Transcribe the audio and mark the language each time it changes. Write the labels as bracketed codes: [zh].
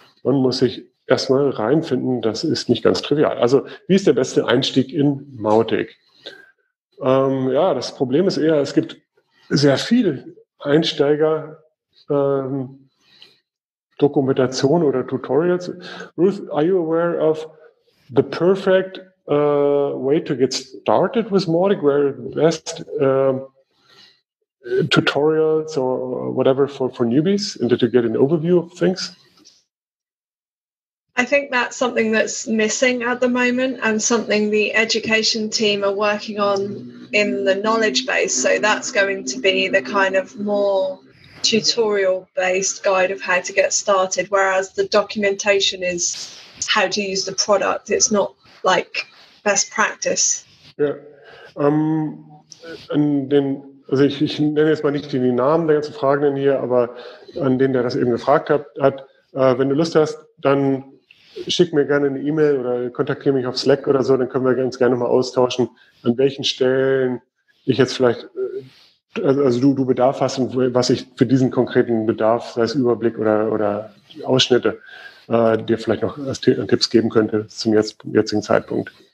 [de] Man muss sich erstmal reinfinden, das ist nicht ganz trivial. Also, wie ist der beste Einstieg in Mautic? Ja, das Problem ist eher, es gibt sehr viel Einsteiger Dokumentation oder Tutorials. [en] Ruth, are you aware of the perfect way to get started with Mautic, where the best tutorials or whatever for newbies and to get an overview of things? I think that's something that's missing at the moment, and something the education team are working on in the knowledge base. So that's going to be the kind of more tutorial-based guide of how to get started, whereas the documentation is how to use the product. It's not like best practice. Yeah. [de] Ich nenne jetzt mal nicht die Namen der ganzen Fragenden hier, aber an den, der das eben gefragt hat, wenn du Lust hast, dann schick mir gerne eine E-Mail oder kontaktiere mich auf Slack oder so, dann können wir ganz gerne mal austauschen, an welchen Stellen ich jetzt vielleicht, also du Bedarf hast und was ich für diesen konkreten Bedarf, sei es Überblick oder Ausschnitte, dir vielleicht noch als Tipps geben könnte zum jetzigen Zeitpunkt.